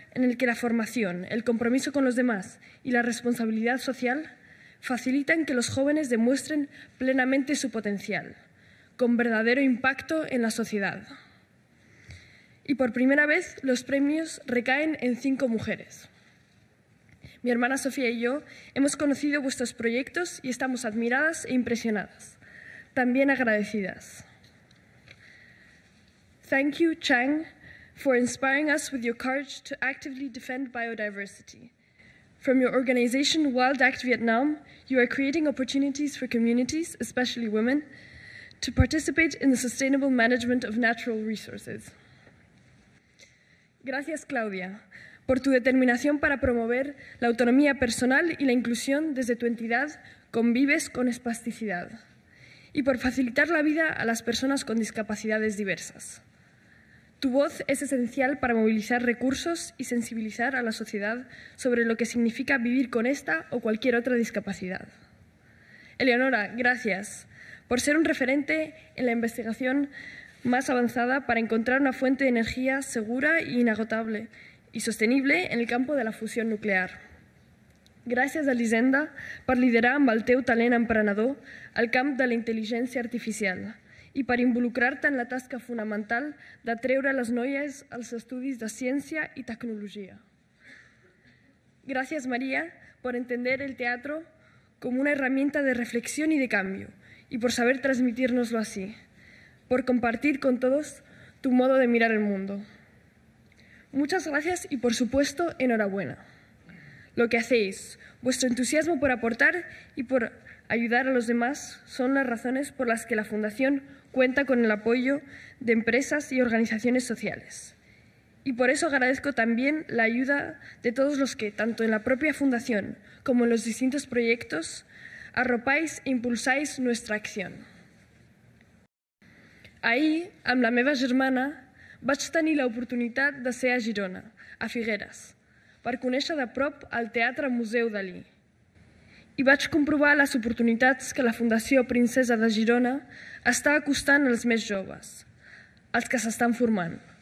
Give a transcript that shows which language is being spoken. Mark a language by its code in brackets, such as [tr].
[es] en el que la formación, el compromiso con los demás y la responsabilidad social facilitan que los jóvenes demuestren plenamente su potencial, con verdadero impacto en la sociedad. Y por primera vez, los premios recaen en 5 mujeres. Mi hermana Sofía y yo hemos conocido vuestros proyectos y estamos admiradas e impresionadas. También agradecidas. [en] Thank you, Chang, for inspiring us with your courage to actively defend biodiversity. From your organization, Wild Act Vietnam, you are creating opportunities for communities, especially women, to participate in the sustainable management of natural resources. [es] Gracias, Claudia, por tu determinación para promover la autonomía personal y la inclusión desde tu entidad Convives con Espasticidad y por facilitar la vida a las personas con discapacidades diversas. Tu voz es esencial para movilizar recursos y sensibilizar a la sociedad sobre lo que significa vivir con esta o cualquier otra discapacidad. Eleonora, gracias por ser un referente en la investigación más avanzada para encontrar una fuente de energía segura e inagotable y sostenible en el campo de la fusión nuclear. Gracias a Lisenda por liderar [ca] amb el teu talent emprenedor al camp de la intel·ligència artificial i per involucrar-te en la tasca fonamental de treure les noies als estudis de ciència i tecnologia. [es] Gracias, María, por entender el teatro como una herramienta de reflexión y de cambio y por saber transmitirnoslo así, por compartir con todos tu modo de mirar el mundo. Muchas gracias y, por supuesto, enhorabuena. Lo que hacéis, vuestro entusiasmo por aportar y por ayudar a los demás son las razones por las que la Fundación cuenta con el apoyo de empresas y organizaciones sociales. Y por eso agradezco también la ayuda de todos los que, tanto en la propia Fundación como en los distintos proyectos, arropáis e impulsáis nuestra acción. [ca] Ahí, amb la meva germana, vaig tenir l'oportunitat de ser a Girona, a Figueres, per conèixer de prop el Teatre Museu Dalí. I vaig comprovar les oportunitats que la Fundació Princesa de Girona està acostant als més joves, als que s'estan formant.